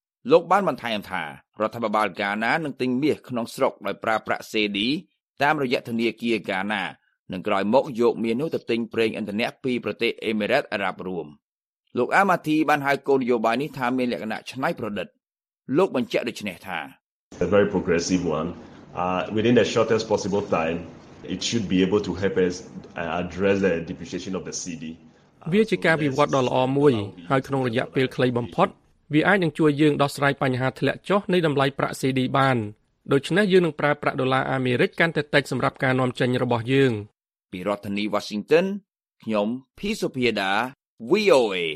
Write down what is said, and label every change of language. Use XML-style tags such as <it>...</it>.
<km>លោកបានបន្ថែមថារដ្ឋាភិបាលហ្គាណានឹងទិញមាសក្នុងស្រុកដោយប្រើប្រាក់សេឌីតាមរយៈធនាគារហ្គាណានឹងក្រោយមកយកមាសនោះទៅទិញប្រេងឥន្ធនៈពីប្រទេសអេមីរ៉ាតអារ៉ាប់រួមលោកអាម៉ាទីបានហៅគោលនយោបាយនេះថាមានលក្ខណៈច្នៃប្រឌិតលោកបញ្ជាក់ដូចនេះថា</km> <en>A very progressive one within the shortest possible time it should be able to help us address the depreciation of the CD</en> <km>វាជាការវិវត្តដ៏ល្អមួយហើយក្នុងរយៈពេលខ្លីបំផុតវាអាចនឹងជួយយើងដោះស្រាយបញ្ហាធ្លាក់ចុះនៃតម្លៃប្រាក់ CD បានដូច្នេះយើងនឹងប្រើប្រាក់ដុល្លារអាមេរិកកាន់តែតិចសម្រាប់ការនាំចេញរបស់យើង ពីរដ្ឋធានី Washington ខ្ញុំភីសុភាដា VOA</km>